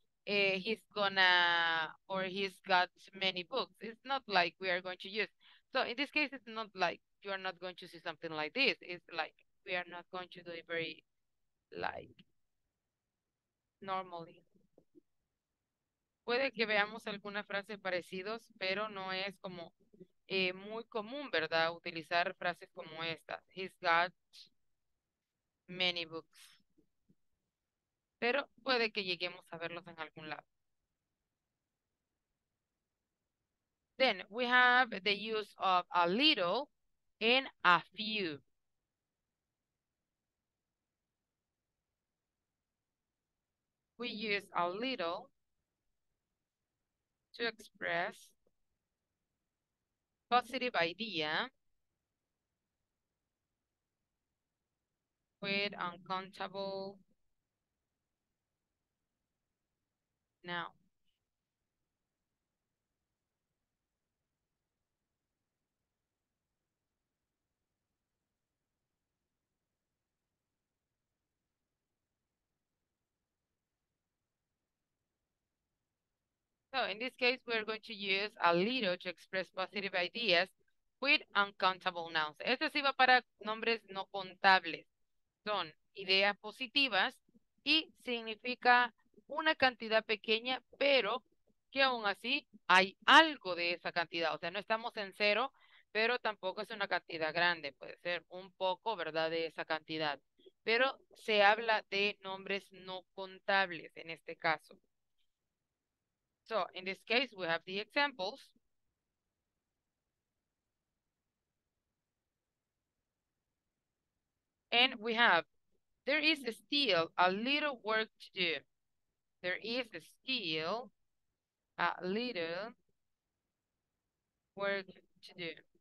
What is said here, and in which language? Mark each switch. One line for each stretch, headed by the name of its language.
English: He's gonna or he's got many books. It's not like we are going to use. So in this case, it's not like you are not going to see something like this. It's like we are not going to do it very like normally.
Spanish: Puede que veamos algunas frases parecidas, pero no es como muy común, ¿verdad? Utilizar frases como estas.
English: He's got many books.
Spanish: Pero puede que lleguemos a verlos en algún lado.
English: Then we have the use of a little and a few. We use a little to express positive idea with uncountable. Now, So in this case, we're going to use a little to express positive ideas with uncountable nouns.
Spanish: Esto sí va para nombres no contables. Son ideas positivas y significa una cantidad pequeña, pero que aún así hay algo de esa cantidad. O sea, no estamos en cero, pero tampoco es una cantidad grande. Puede ser un poco, ¿verdad?, de esa cantidad. Pero se habla de nombres no contables en este caso.
English: So, in this case, we have the examples. And we have, there is still a little work to do. There is still a little work to do.